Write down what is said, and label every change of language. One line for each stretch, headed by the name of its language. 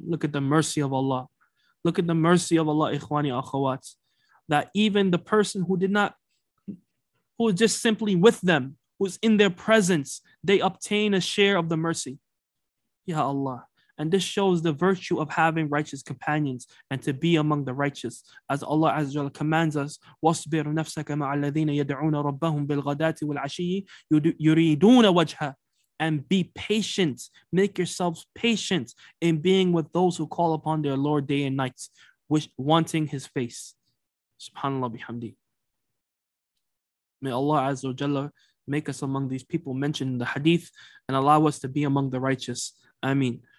English: Look at the mercy of Allah. Look at the mercy of Allah, ikhwani akhawat. That even the person who did not, who is just simply with them, who's in their presence, they obtain a share of the mercy. Ya Allah. And this shows the virtue of having righteous companions and to be among the righteous. As Allah Azza wa Jalla commands us,
Arabic: وَاصْبِرْ نَفْسَكَ مَعَ الَّذِينَ يَدْعُونَ رَبَّهُمْ بِالْغَدَاتِ وَالْعَشِيِّ يُرِيدُونَ وَجْهَ.
English: And be patient. Make yourselves patient in being with those who call upon their Lord day and night, wanting His face. SubhanAllah bihamdi. May Allah Azza wa Jalla make us among these people mentioned in the hadith and allow us to be among the righteous. Ameen.